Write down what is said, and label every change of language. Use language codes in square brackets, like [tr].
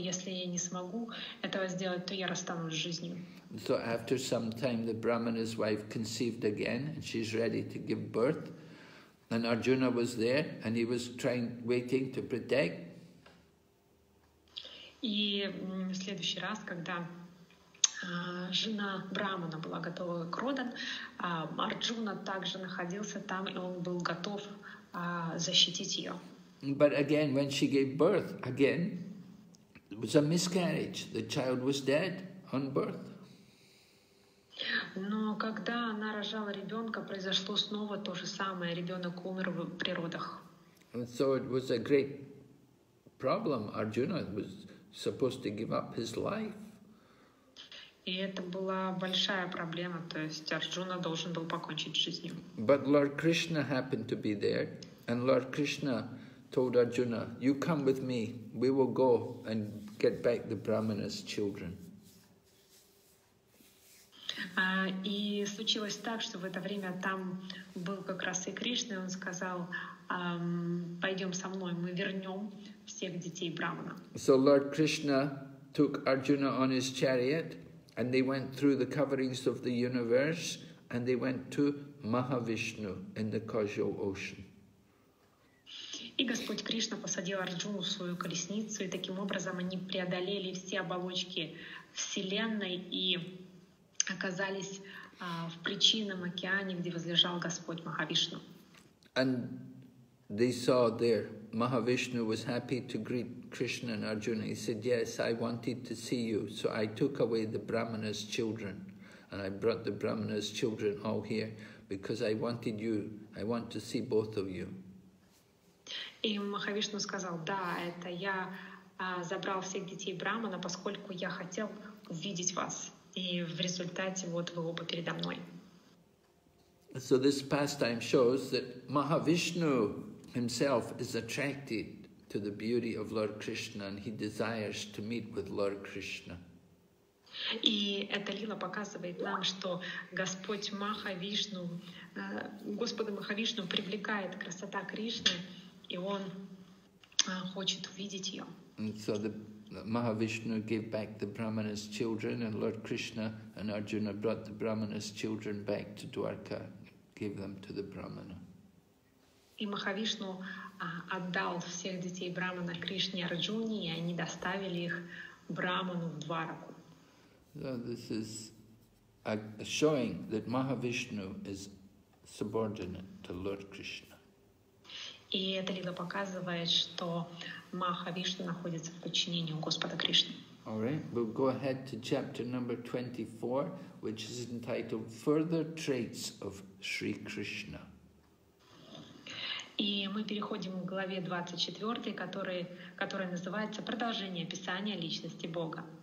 [ru] Если я не смогу этого сделать, то я расстанусь с жизнью. [en] So after some time, the Brahmana's wife conceived again, and she's ready to give birth. And Arjuna was there, and he was trying, waiting to protect. [ru] И в следующий раз, когда жена Брахмана была готова к родам, Арджуна также находился там, и он был готов защитить ее. [en] But again, when she gave birth, again, it was a miscarriage. The child was dead on birth. [ru] Но когда она рожала ребенка, произошло снова то же самое. Ребенок умер в природах. [en] And so it was a great problem. Arjuna was supposed to give up his life. [ru] И это была большая проблема, то есть Арджуна должен был покончить с жизнью. [en] But Lord Krishna happened to be there, and Lord Krishna told Arjuna, you come with me, we will go and get back the Brahmana's children. [ru] И случилось так, что в это время там был как раз и Кришна, и он сказал, пойдем со мной, мы вернем всех детей Брахмана. [en] So Lord Krishna took Arjuna on his chariot, and they went through the coverings of the universe, and they went to Mahavishnu in the causal ocean. [ru] И Господь Кришна посадил Арджуну в свою колесницу, и таким образом они преодолели все оболочки вселенной и оказались в причинном океане, где возлежал Господь Махавишну. [en] And they saw there Mahavishnu was happy to greet Krishna and Arjuna. He said, yes, I wanted to see you, so I took away the Brahmana's children, and I brought the Brahmana's children all here, because I wanted you, I want to see both of you. [ru] И Махавишну сказал: да, это я забрал всех детей Брахмана, поскольку я хотел увидеть вас. И в результате вот вы оба передо мной. [en] So this pastime shows that Mahavishnu himself is attracted to the beauty of Lord Krishna and he desires to meet with Lord Krishna. [ru] И эта лила показывает нам, что Господь Махавишну, Господа Махавишну привлекает красота Кришны, и он хочет увидеть ее. [en] And so the Mahavishnu gave back the Brahmana's children, and Lord Krishna and Arjuna brought the Brahmana's children back to Dwarka, gave them to the Brahmana. [ru] И Махавишну отдал всех детей Брахмана Кришне и Арджуне, и они доставили их Брахману в Двараку. [en] So this is showing that Mahavishnu is subordinate to Lord Krishna. [ru] И эта лила показывает, что Махавишна находится в подчинении у Господа Кришны. [en] All right, we'll go ahead to chapter number 24, which is entitled "Further Traits of Sri Krishna". [ru] И мы переходим к главе 24, которая называется «Продолжение описания личности Бога».